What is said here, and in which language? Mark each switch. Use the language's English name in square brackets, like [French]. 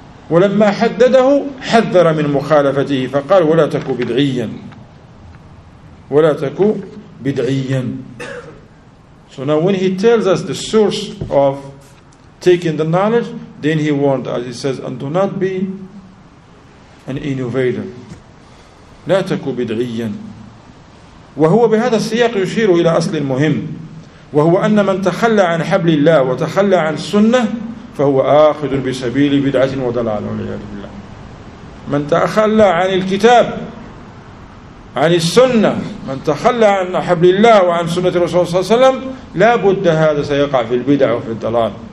[Arabic] ولما حدده حذر من مخالفته فقال ولا تكو بدعيا ولا تكو بدعيا. [English] So now when he tells us the source of taking the knowledge, then he warned us, he says, and do not be an innovator. [Arabic] لا تكو بدعيا. وهو بهذا السياق يشير إلى أصل مهم, وهو أن من تخلى عن حبل الله وتخلى عن السنة فهو آخذ بسبيل بدعة وضلال والعياذ بالله. من تخلى عن الكتاب, عن السنة, من تخلى عن حبل الله وعن سنة الرسول صلى الله عليه وسلم, لا بد هذا سيقع في البدع وفي الضلال.